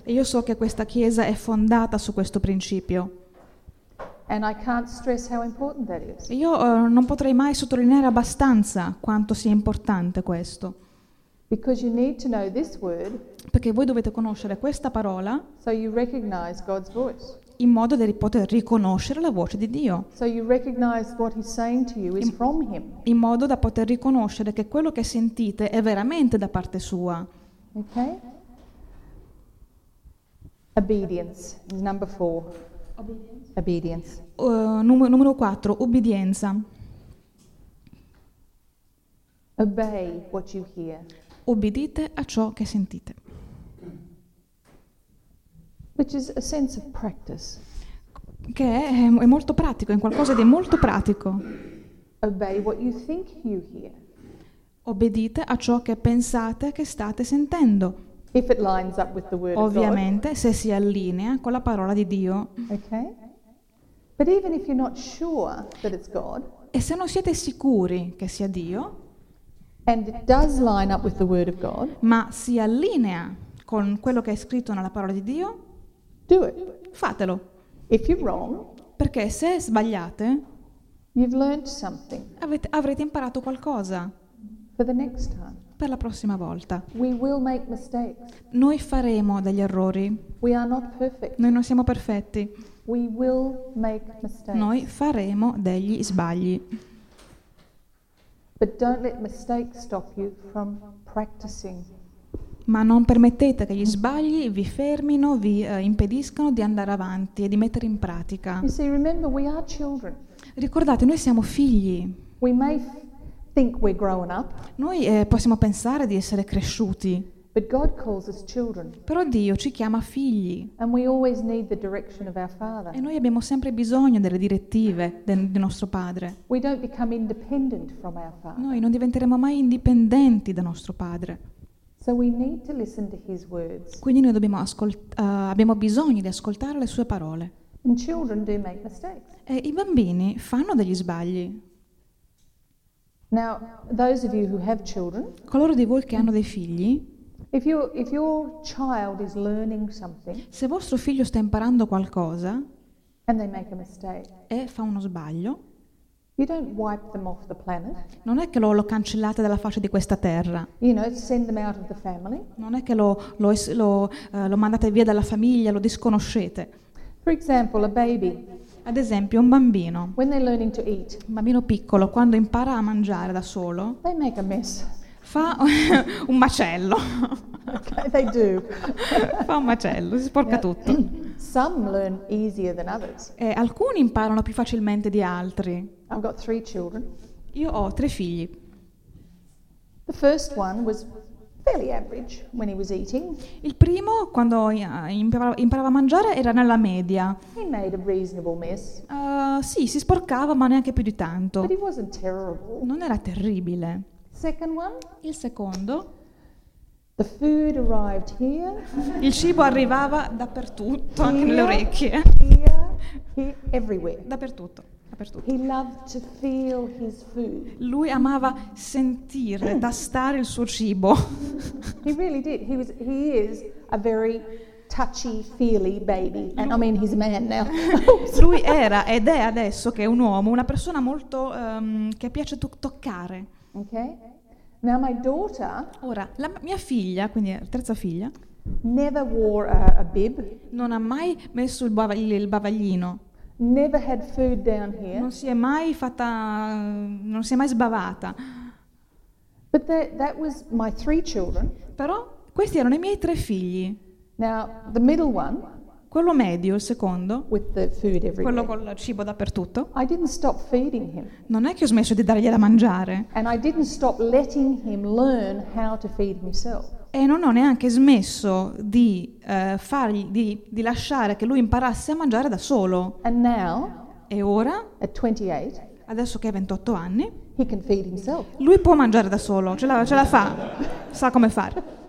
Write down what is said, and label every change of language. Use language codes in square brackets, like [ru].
[it] E io so che questa chiesa è fondata su questo principio. [en] And I can't stress how important that is. [it] Io non potrei mai sottolineare abbastanza quanto sia importante questo. [en] Because you need to know this word. [it] Perché voi dovete conoscere questa parola. [en] So you recognize God's voice. [it] In modo da poter riconoscere la voce di Dio. [en] So you recognize what he's saying to you is from him. [it] In modo da poter riconoscere che quello che sentite è veramente da parte sua. [en] Okay. Obedience, number four. Obedience. [it] Numero 4, obbedienza. [en] Obey what you hear. [it] Obbedite a ciò che sentite. [en] Which is a sense of practice. [it] Che è molto pratico, è qualcosa di molto pratico. [en] Obey what you think you hear. [it] Obbedite a ciò che pensate che state sentendo. [en] If it lines up with the word [it] ovviamente, [en] of God. [it] Se si allinea con la parola di Dio. [en] Okay. But even if you're not sure that it's God, [it] e se non siete sicuri che sia Dio, [en] and it does line up with the word of God, [it] ma si allinea con quello che è scritto nella parola di Dio, [en] do it. [it] Fatelo. [en] If you're wrong, [it] perché se sbagliate, [en] you've learned something. [it] Avrete imparato qualcosa. [en] For the next time. [it] Per la prossima volta. [en] We will make mistakes. [it] Noi faremo degli errori. [en] We are not perfect. [it] Noi non siamo perfetti. [en] We will make mistakes. [it] Noi faremo degli sbagli. [en] But don't let mistakes stop you from practicing. [it] Ma non permettete che gli sbagli vi fermino, vi impediscano di andare avanti e di mettere in pratica. [en] You see, remember, we are children. [it] Ricordate, noi siamo figli. [en] We may think we're grown up. [it] Noi possiamo pensare di essere cresciuti. [en] But God calls us children. [it] Però Dio ci chiama figli. [en] And we always need the direction of our father. [it] E noi abbiamo sempre bisogno delle direttive di nostro padre. [en] We don't become independent from our father. [it] Noi non diventeremo mai indipendenti da nostro padre. [en] So we need to listen to his words. [it] Quindi noi dobbiamo abbiamo bisogno di ascoltare le sue parole. [en] And children do make mistakes. [it] E i bambini fanno degli sbagli. [en] Now, those of you who have children, [it] coloro di voi che hanno dei figli, [en] if your child is learning something, [it] se vostro figlio sta imparando qualcosa, [en] and they make a mistake, [it] e fa uno sbaglio, [en] you don't wipe them off the planet. [it] Non è che lo cancellate dalla faccia di questa terra. [en] You know, send them out of the family. [it] Non è che lo mandate via dalla famiglia, lo disconoscete. [en] For example, a baby. [it] Ad esempio, un bambino. [en] When they're learning to eat, [it] un bambino piccolo, quando impara a mangiare da solo, [en] they make a mess. [it] Fa un macello. [en] Okay, they do. [it] Fa un macello, si sporca tutto. [en] Some learn easier than others. [it] E alcuni imparano più facilmente di altri. [en] I've got three children. [it] Io ho tre figli. [en] The first one was fairly average when he was eating. [it] Il primo, quando imparava a mangiare, era nella media. [en] He made a reasonable mess. [it] Sì, si sporcava, ma neanche più di tanto. [en] But he wasn't terrible. [it] Non era terribile. [en] Second one. [it] Il secondo. [en] The food arrived here. [it] Il cibo arrivava dappertutto, [en] here, [it] anche nelle orecchie. [en] Here, everywhere. [it] Dappertutto. Dappertutto. [en] He loved to feel his food. [it] Lui amava sentire, tastare il suo cibo. [en] He really did. He is a very touchy, feely baby. And I mean, he's a man now. [it] Lui era ed è adesso che è un uomo, una persona molto che piace toccare. [en] Okay. Now my daughter. [it] Ora la mia figlia, quindi la terza figlia. [en] Never wore a bib. [it] Non ha mai messo il bavaglino. [en] Never had food down here. [it] Non si è mai fatta, non si è mai sbavata. [en] But that was my three children. [it] Però questi erano i miei tre figli. [en] Now the middle one. [it] Quello medio, il secondo. [en] With the food everywhere. [it] Quello con il cibo dappertutto. [en] I didn't stop feeding him. [it] Non è che ho smesso di dargli da mangiare. [en] And I didn't stop letting him learn how to feed himself. [it] E non ho neanche smesso di lasciare che lui imparasse a mangiare da solo. [en] And now, [it] e ora, [en] at 28, [it] adesso che ha 28 anni, [en] he can feed himself. [it] Lui può mangiare da solo, ce la fa, sa come fare.